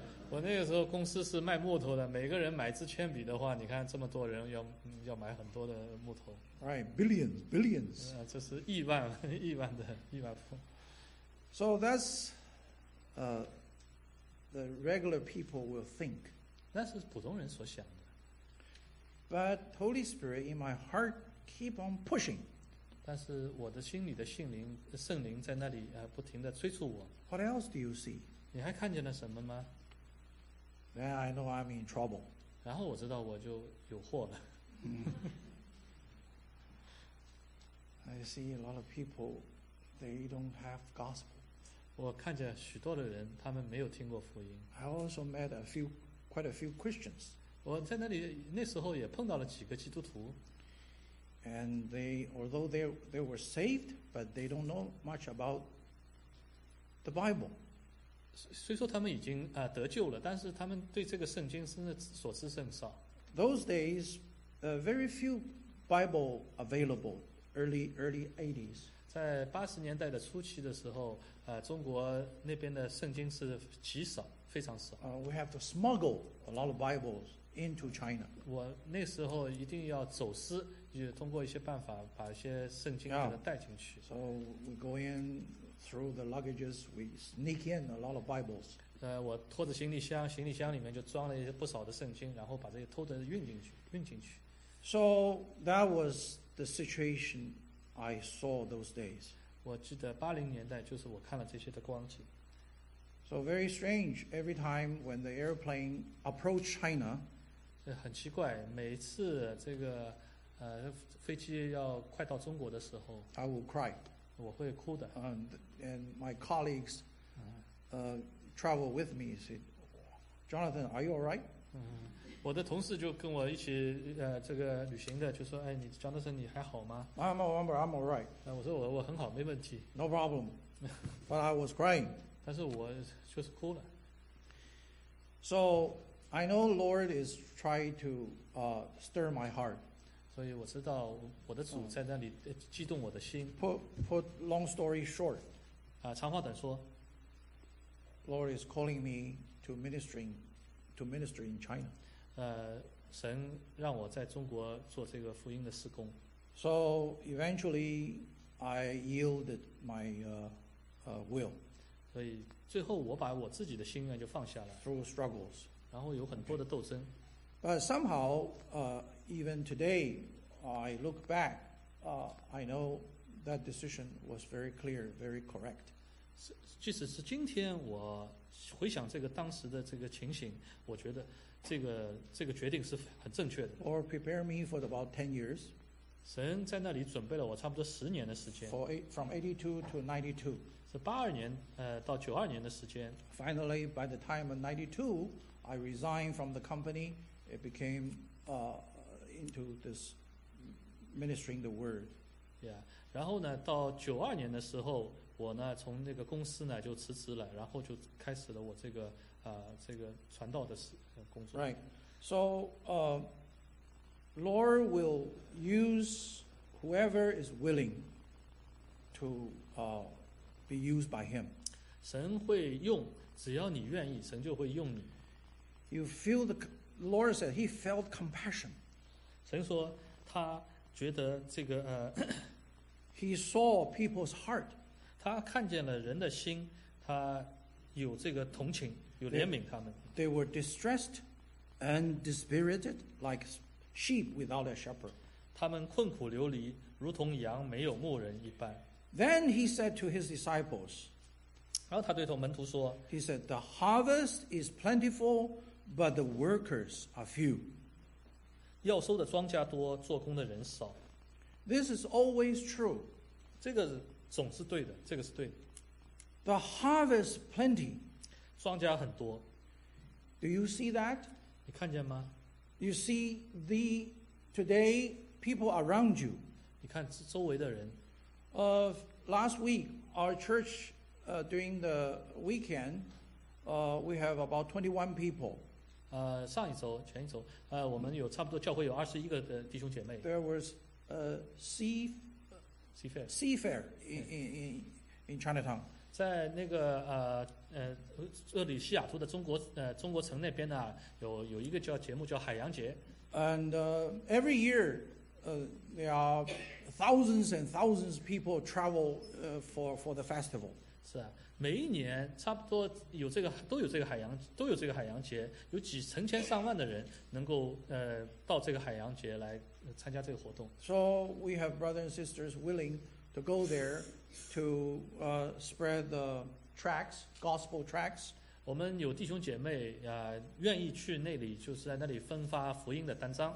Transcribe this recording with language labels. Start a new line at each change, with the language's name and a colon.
Chinese: 我那个时候公司是卖木头的，每个人买支铅笔的话，你看这么多人要买很多的木头。
English: Right, billions.
Chinese: 这是亿万，亿万的，亿万富。
English: So that's the regular people will think.
Chinese: 那是普通人所想的。
English: But Holy Spirit in my heart keep on pushing.
Chinese: 但是我的心里的圣灵在那里不停地催促我。
English: What else do you see?
Chinese: 你还看见了什么吗？
English: Then I know I'm in trouble.
Chinese: 然后我知道我就有祸了。
English: I see a lot of people, they don't have gospel.
Chinese: 我看见许多的人，他们没有听过福音。
English: I also met quite a few Christians.
Chinese: 我在那里那时候也碰到了几个基督徒。
English: And they, although they were saved, but they don't know much about the Bible.
Chinese: 虽说他们已经得救了，但是他们对这个圣经真的所知甚少。
English: Those days, very few Bible available. Early 80s.
Chinese: 在80年代的初期的时候，中国那边的圣经是极少，非常少。
English: We have to smuggle a lot of Bibles into China.
Chinese: 我那时候一定要走私，也通过一些办法把一些圣经给它带进去。
English: So we go in through the luggages, we sneak in a lot of Bibles.
Chinese: 我拖着行李箱，行李箱里面就装了一些不少的圣经，然后把这些偷着运进去。
English: So that was the situation I saw those days.
Chinese: 我记得80年代就是我看了这些的光景。
English: So very strange, every time when the airplane approached China,
Chinese: 很奇怪，每次这个飞机要快到中国的时候，
English: I will cry.
Chinese: 我会哭的。
English: And my colleagues travel with me said, Jonathan, are you all right?
Chinese: 我的同事就跟我一起这个旅行的就说，哎，你 Jonathan 你还好吗？
English: I'm all right.
Chinese: 我说我很好，没问题。
English: No problem. But I was crying.
Chinese: 但是我就是哭了。
English: So I know the Lord is trying to stir my heart.
Chinese: 所以我知道我的主在那里激动我的心。
English: Put long story short.
Chinese: 长话短说。
English: Lord is calling me to minister in China.
Chinese: 神让我在中国做这个福音的事工。
English: So eventually I yielded my will.
Chinese: 所以最后我把我自己的心愿就放下了。
English: Through struggles.
Chinese: 然后有很多的斗争。
English: But somehow, even today, I look back, I know that decision was very clear, very correct.
Chinese: 即使是今天我回想这个当时的这个情形，我觉得这个决定是很正确的。
English: Or prepare me for about 10 years.
Chinese: 神在那里准备了我差不多十年的时间。
English: From 82 to 92.
Chinese: 是82年到92年的时间。
English: Finally, by the time of 92, I resigned from the company. It became into this ministering the word. Yeah.
Chinese: 然后呢，到92年的时候，我呢从那个公司呢就辞职了，然后就开始了我这个传道的工作。
English: Right. So, Lord will use whoever is willing to be used by him.
Chinese: 神会用，只要你愿意，神就会用你。
English: You feel the Lord said he felt compassion.
Chinese: 神说他觉得这个
English: he saw people's heart.
Chinese: 他看见了人的心，他有这个同情。有怜悯他们。
English: They were distressed and dispirited like sheep without a shepherd.
Chinese: 他们困苦流离，如同羊没有牧人一般。
English: Then he said to his disciples,
Chinese: 然后他对门徒说，
English: He said, the harvest is plentiful, but the workers are few.
Chinese: 要收的庄稼多，做工的人少。
English: This is always true.
Chinese: 这个总是对的，这个是对的。
English: The harvest plenty.
Chinese: 庄稼很多。
English: Do you see that?
Chinese: 你看见吗？
English: You see the today people around you.
Chinese: 你看周围的人。
English: Last week, our church, during the weekend, we have about 21 people.
Chinese: 前一周，我们有差不多教会有21个的弟兄姐妹。
English: There was a seafair in Chinatown.
Chinese: 在那个这里西雅图的中国城那边呢，有一个节目叫海洋节。
English: And every year, there are thousands and thousands of people travel for the festival.
Chinese: 是啊，每一年差不多都有这个海洋节，有几成千上万的人能够到这个海洋节来参加这个活动。
English: So we have brothers and sisters willing to go there to spread the tracts, gospel tracts.
Chinese: 我们有弟兄姐妹愿意去那里，就是在那里分发福音的单张。